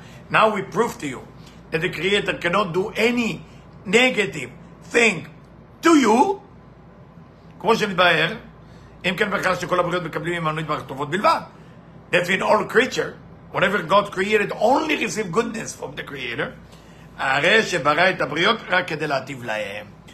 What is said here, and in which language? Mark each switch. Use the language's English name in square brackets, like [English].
[English] Now we prove to you that the Creator cannot do any negative thing to you. [Hebrew] כמו שמתבהר, אם כן בכלל שכל הבריאות מקבלים ממנו יתברך טובות בלבד. [English] That in all creature, whatever God created, only receive goodness from the Creator. [Hebrew] הרי שברא את הבריאות רק כדי להטיב להם.